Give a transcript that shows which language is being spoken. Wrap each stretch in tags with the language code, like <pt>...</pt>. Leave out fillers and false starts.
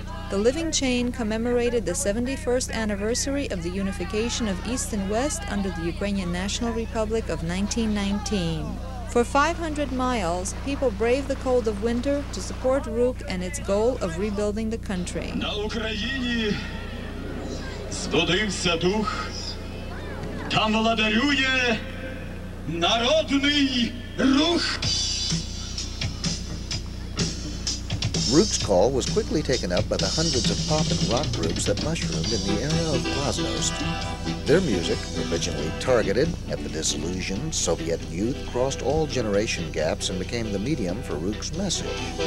<en>The living chain commemorated the 71st anniversary of the unification of East and West under the Ukrainian National Republic of 1919. For 500 miles, people braved the cold of winter to support RUK and its goal of rebuilding the country.</en> <uk>На Україні збудився дух. Там владарює народний рух.</uk> <en>Rook's call was quickly taken up by the hundreds of pop and rock groups that mushroomed in the era of Glasnost. Their music, originally targeted at the disillusioned Soviet youth, crossed all generation gaps and became the medium for Rook's message.</en>